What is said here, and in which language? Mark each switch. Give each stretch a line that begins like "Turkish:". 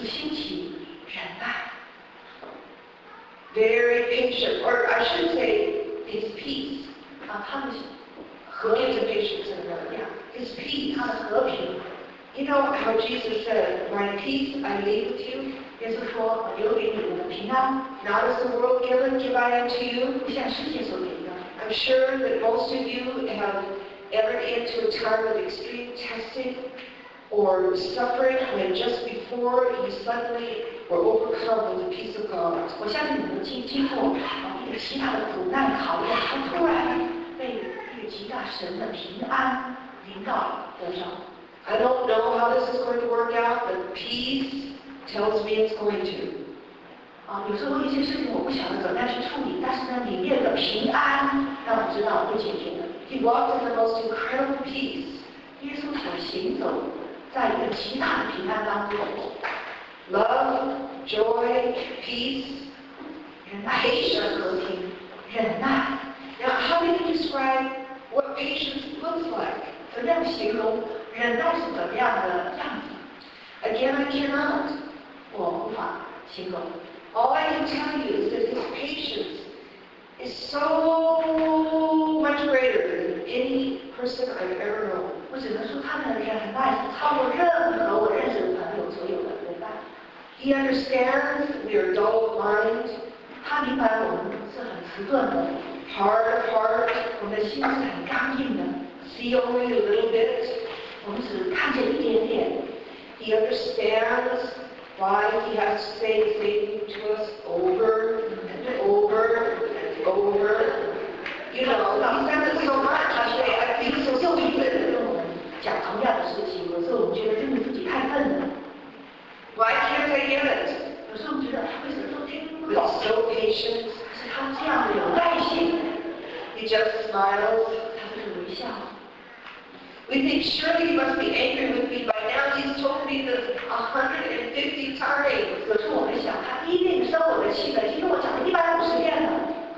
Chinese: 是心情忍耐。
English: Very patient, or I should say, his peace.
Chinese: 啊，他的和平的 patience 和忍耐。
English: His peace,
Chinese: 他的和平。
English: You know how Jesus said, "My peace I leave with you."
Chinese: 耶稣说，我留给你我的平安。
English: Not as the world given, give I unto you.
Chinese: 不像世界所给的。
English: I'm sure that most of you have. Ever into a time of extreme testing or suffering when just before you suddenly were overcome with the peace of God.
Chinese: 我相信你们经过一个极大的苦难考验，他突然被一个极大神的平安临到得着。
English: I don't know how this is going to work out, but peace tells me it's going to.
Chinese: 有时候一些事情我不晓得怎么样去处理，但是呢，里面的平安让我知道会解决的。
English: He walked in the most incredible peace.
Chinese: 耶稣所行走在一个极大的平安当中。
English: Love, joy, peace,
Chinese: 忍耐 patience, 和平忍耐。
English: Now, how do you describe what patience looks like?
Chinese: 怎样形容忍耐是怎么样的样子？
English: Again, I cannot.
Chinese: 我无法形容。
English: All I can tell you is that this patience. Is so much greater than any person I've ever known.
Chinese: 我只能说他们的忍耐是超过任何我认识的朋友所有的忍耐。
English: He understands we are dull of mind.
Chinese: 他明白我们是很迟钝的。
English: Hard of heart.
Chinese: 我们的心是很刚硬的。
English: See only a little bit.
Chinese: 我们只看见一点点。
English: He understands why he has to say things to us over and over. Over, you know, he's done this so much. I say, I feel so stupid.
Chinese: 讲同样的事情，有时候我们觉得真的自己太笨了。
English: Why can't I get it?
Chinese: 有时候觉得为什么都听不懂。
English: So patient.
Chinese: 是他这样的有耐心。
English: He just smiles.
Chinese: 他就是微笑。
English: We think surely he must be angry with me by now. He's told me this 150 times.
Chinese: 有时候我们想，他一定生我的气了，已经跟我讲了150遍了。